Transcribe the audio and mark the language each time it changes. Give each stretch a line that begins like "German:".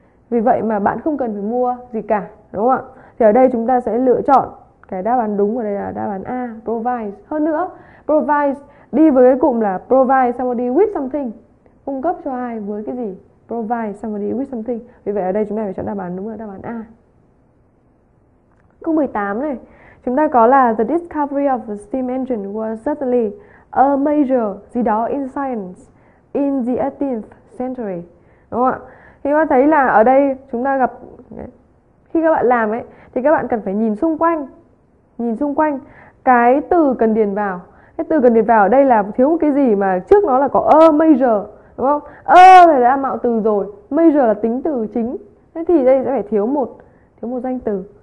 Vietnamese: Vì vậy mà bạn không cần phải mua gì cả, đúng không ạ? Thì ở đây chúng ta sẽ lựa chọn cái đáp án đúng ở đây là đáp án A, provide. Hơn nữa, provide đi với cái cụm là
English: provide somebody with something.
Vietnamese: Cung cấp cho ai với cái gì?
English: Provide somebody with something.
Vietnamese: Vì vậy ở đây chúng ta phải chọn đáp án đúng là đáp án A. Câu 18 này, chúng ta có là
English: the discovery of the steam engine was certainly a major
Vietnamese: gì đó
English: in science in the 18th century.
Vietnamese: Đúng không ạ? Thì các bạn thấy là ở đây chúng ta gặp, khi các bạn làm ấy thì các bạn cần phải nhìn xung quanh. Nhìn xung quanh cái từ cần điền vào. Cái từ cần điền vào ở đây là thiếu một cái gì mà trước nó là có a major, đúng không? A là mạo từ rồi, major là tính từ chính. Thế thì đây sẽ phải thiếu một danh từ.